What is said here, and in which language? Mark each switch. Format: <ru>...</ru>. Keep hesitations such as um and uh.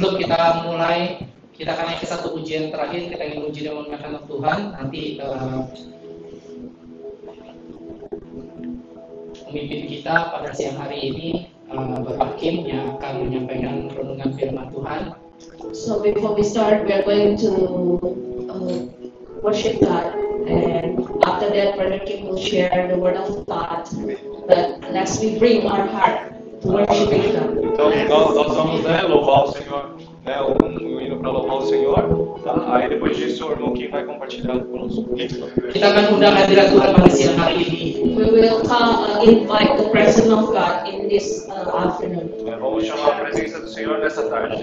<id>sebelum kita mulai kita akan ke satu ujian terakhir kita ingin uji dengan makan Tuhan nanti pemimpin kita, uh, kita pada siang hari ini uh, Bapak ya, Kim yang akan menyampaikan renungan firman Tuhan.</id> <en>So before we start, we are going to worship God. And after that, Brother Kim will share the word of God. But let's we bring our heart to worshiping God.</en> <pt>né, um hino um, um, para louvar o Senhor. Tá? Aí depois disso, o irmão Kim vai compartilhando conosco. Ele está mandando a literatura para esse</pt> <en>We will call, uh, invite the presence of God in this uh, afternoon.</en> <pt>É, vamos chamar a presença do Senhor nessa tarde.</pt>